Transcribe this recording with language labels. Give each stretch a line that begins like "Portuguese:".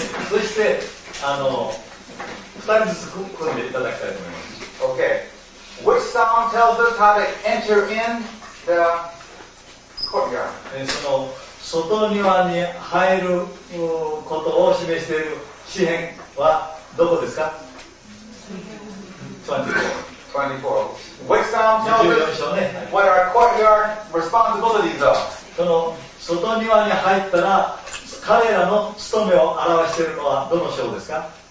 Japanese: そして2人ずつ組んでいただきたいと思います。
English: Okay. Which song tells us how to enter in the courtyard?
Japanese: その外庭に入ることを示している詩編はどこですか？24.
English: Which song tells us what our courtyard responsibilities are?
Japanese: その外庭に入ったら彼らの務めを表しているのはどの章ですか？